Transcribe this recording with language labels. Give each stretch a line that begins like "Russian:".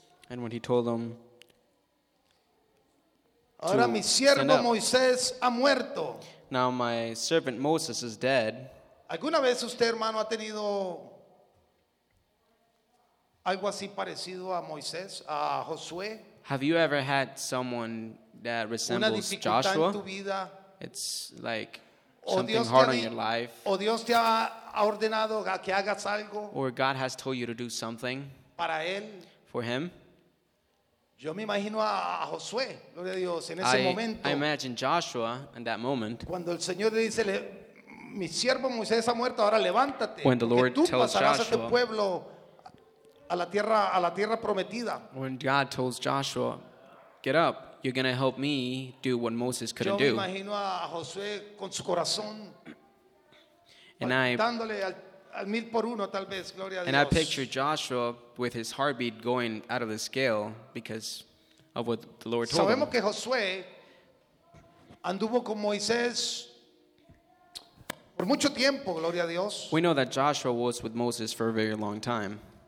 English: And when he told them,
Spanish: ahora mi siervo Moisés ha muerto.
English: Now my servant Moses is dead.
Spanish: ¿Alguna vez usted, hermano, ha tenido algo así parecido a Moisés, a Josué?
English: Have you ever had someone that resembles Joshua?
Spanish: En tu vida?
English: It's like something hard on your life.
Spanish: O Dios te ha ordenado a que hagas algo.
English: Or God has told you to do something
Spanish: para él.
English: For him.
Spanish: Yo me imagino a Josué, gloria a Dios, en ese momento.
English: I imagine Joshua in that moment.
Spanish: Cuando el Señor le dice, mi siervo Moisés ha muerto, ahora levántate.
English: When the Lord tells Joshua,
Spanish: este pueblo a la tierra prometida.
English: When God tells Joshua, get up, you're going to help me do what Moses couldn't do.
Spanish: Yo me imagino a Josué con su corazón.
English: And I
Spanish: dándole al mil por uno, tal vez, gloria a Dios.
English: And I picture Joshua with his heartbeat going out of the scale because of what the Lord told
Spanish: sabemos
English: him.
Spanish: Que Josué anduvo con Moisés por mucho tiempo, gloria a Dios.
English: We know that Joshua was with Moses for a very long time.